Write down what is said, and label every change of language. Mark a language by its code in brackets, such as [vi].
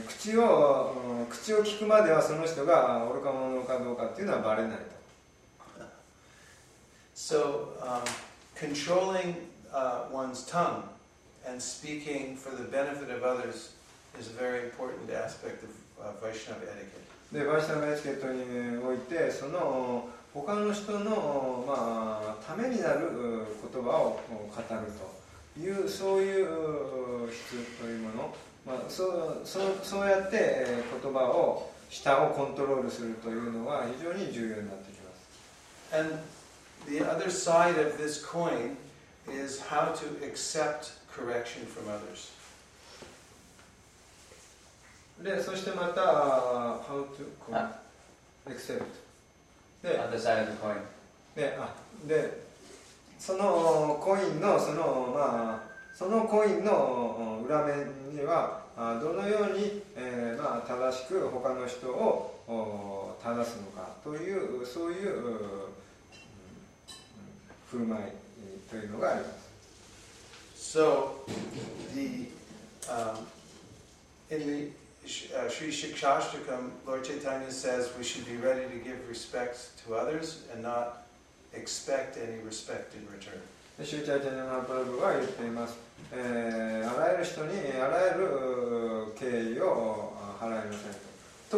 [ja] 口を聞くまではその人が愚か者かどうかというのはバレないと。 [en] So, controlling one's tongue and speaking for the benefit of others is a very important aspect of Vaishnava etiquette. [ja] で、バイシナバエチケットにおいて、その他の人の、まあ、ためになる言葉を語るという、そういう質というもの。まあ、そうやって言葉を舌をコントロールするというのは非常に重要になってきます。 [en] And the other side of this coin is how to accept correction from others. [ja] で、そしてまた [en] how to accept. The other side of the coin. [ja] で、そのコインのそのまあそのコインの裏面にはどのように、まあ、正しく他の人を正すのかというそういう、振る舞いというのがあります。 [en] So, the, in the Sri Shikshashtakam, Lord Chaitanya says we should be ready to give respect to others and not expect any respect in return. [ja] シュチャイチャイナ・プラブは言っています、あらゆる人にあらゆる敬意を払いなさいと。